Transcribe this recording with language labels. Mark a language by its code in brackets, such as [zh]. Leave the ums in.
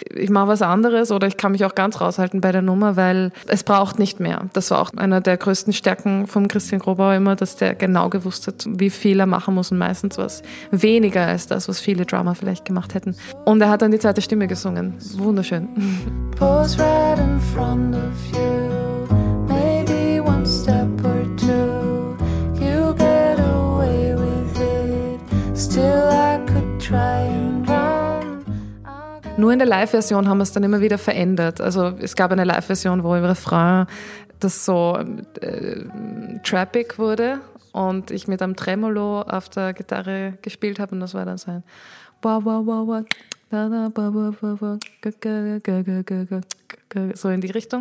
[de] Ich mache was anderes oder ich kann mich auch ganz raushalten bei der Nummer, weil es braucht nicht mehr. Das war auch einer der größten Stärken vom Christian Grobauer immer, dass der genau gewusst hat, wie viel er machen muss und meistens was weniger als das, was viele Drummer vielleicht gemacht hätten. Und er hat dann die zweite Stimme gesungen. Wunderschön. [en] Pose right in front of you. Maybe one step or two. You get away with it. Still, I could try and run. I got [de] Nur in der Live-Version haben wir es dann immer wieder verändert. Also es gab eine Live-Version, wo im Refrain das so äh, trappig wurde und ich mit einem Tremolo auf der Gitarre gespielt habe und das war dann so ein wa, wa, wa, wa, da, da, ba, ba, ba, ba, ga, ga, ga, ga, ga, ga, ga, so in die Richtung.